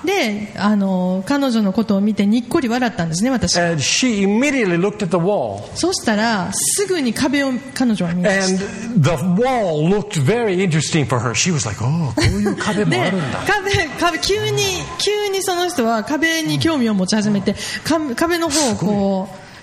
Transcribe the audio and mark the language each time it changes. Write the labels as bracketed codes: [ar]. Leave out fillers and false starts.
[ja] で彼女のことを見てにっこり笑ったんですね私は。 [en] And she immediately looked at the wall. [ja] そしたらすぐに壁を彼女は見ました。 [en] And the wall looked very interesting for her. She was like, oh, [ja] こういう壁もあるんだ。で壁急にその人は壁に興味を持ち始めて、壁のすごい。